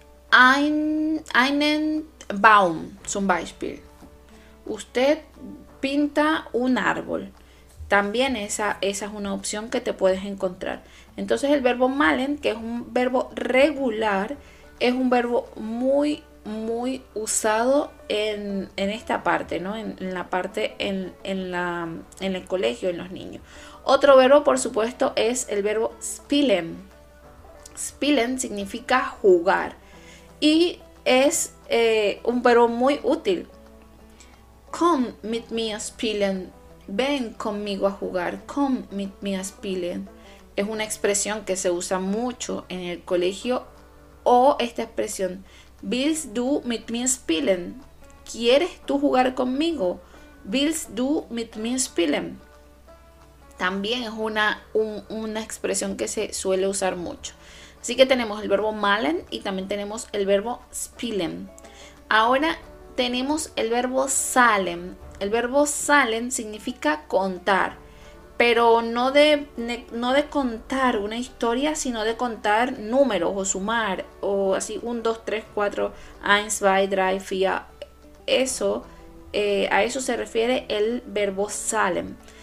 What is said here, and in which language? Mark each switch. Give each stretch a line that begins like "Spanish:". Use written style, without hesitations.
German: Einen Baum, zum Beispiel.
Spanish: Usted pinta un árbol. También esa es una opción que te puedes encontrar. Entonces el verbo malen, que es un verbo regular, es un verbo muy, muy usado en esta parte, ¿no? En la parte en el colegio, en los niños. Otro verbo, por supuesto, es el verbo spielen. Spielen significa jugar. Y es un verbo muy útil.
German: Come mit mir spielen.
Spanish: Ven conmigo a jugar.
German: Come mit mir spielen.
Spanish: Es una expresión que se usa mucho en el colegio. O esta expresión.
German: Willst du mit mir spielen?
Spanish: ¿Quieres tú jugar conmigo?
German: Willst du mit mir spielen?
Spanish: También es una expresión que se suele usar mucho. Así que tenemos el verbo malen y también tenemos el verbo spielen. Ahora tenemos el verbo salen. El verbo salen significa contar, pero no de contar una historia, sino de contar números o sumar, o así 1, 2, 3, 4, 1, 2, 3, 4. Eso, a eso se refiere el verbo salen.